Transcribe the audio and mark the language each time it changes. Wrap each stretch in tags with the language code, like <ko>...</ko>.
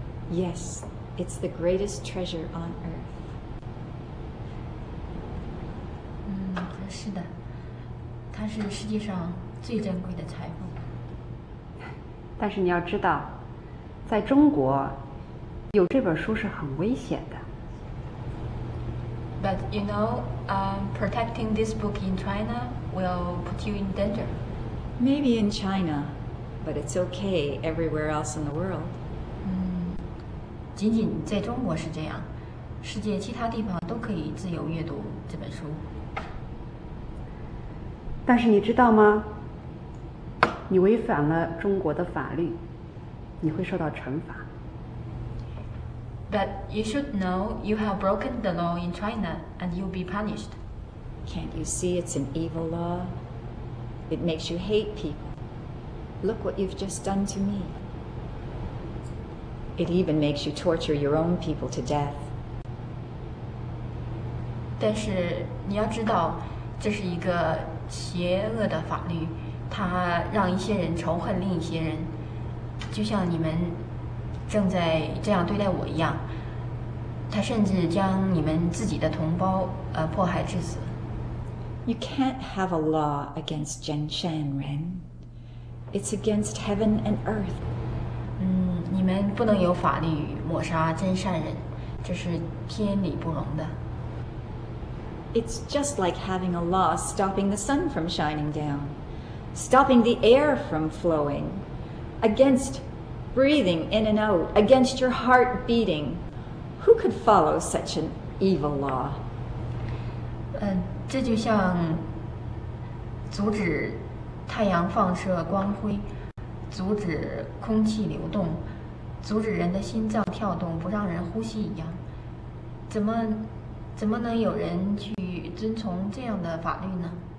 <en>Yes, it's the greatest treasure on earth.</en> <zh>是的，它是世界上最珍贵的财富。但是你要知道，在中国，有这本书是很危险的。</zh> <en>But you know, protecting this book in China will put you in danger. Maybe in China, but it's okay everywhere else in the world.</en> <zh>仅仅在中国是这样，世界其他地方都可以自由阅读这本书。但是你知道吗？你违反了中国的法律，你会受到惩罚。</zh> <en>But you should know you have broken the law in China and you'll be punished. Can't you see it's an evil law? It makes you hate people. Look what you've just done to me. It even makes you torture your own people to death.</en> <zh>但是你要知道，这是一个邪恶的法律，它让一些人仇恨另一些人，就像你们正在这样对待我一样，他甚至将你们自己的同胞迫害致死。</zh> <en>You can't have a law against Zhen Shan Ren. It's against heaven and earth.</en> <zh>你们不能有法律抹杀真善人，这是天理不容的。</zh> <en>It's just like having a law stopping the sun from shining down, stopping the air from flowing, against. Breathing in and out, against your heart beating. Who could follow such an evil law?</en> <zh>这就像阻止太阳放射光辉，阻止空气流动，阻止人的心脏跳动，不让人呼吸一样。怎么能有人去遵从这样的法律呢？</zh>